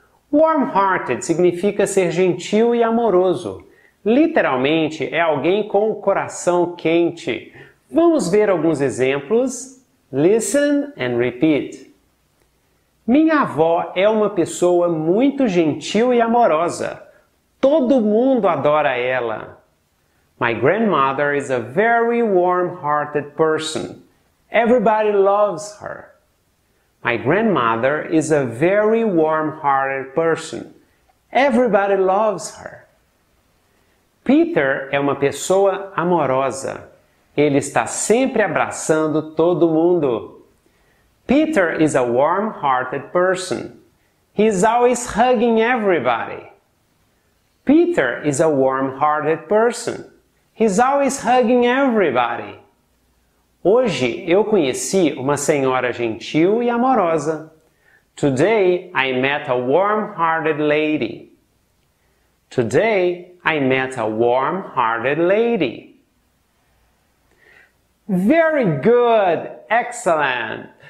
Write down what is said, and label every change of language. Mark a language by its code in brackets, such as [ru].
[pt] Warm-hearted significa ser gentil e amoroso. Literalmente, é alguém com o coração quente. Vamos ver alguns exemplos? [en] Listen and repeat. [pt] Minha avó é uma pessoa muito gentil e amorosa. Todo mundo adora ela. [en] My grandmother is a very warm-hearted person. Everybody loves her. My grandmother is a very warm-hearted person. Everybody loves her. [pt] Peter é uma pessoa amorosa. Ele está sempre abraçando todo mundo. [en] Peter is a warm-hearted person. He is always hugging everybody. Peter is a warm-hearted person. He is always hugging everybody. [pt] Hoje eu conheci uma senhora gentil e amorosa. [en] Today I met a warm-hearted lady. Today I met a warm-hearted lady. Very good! Excellent!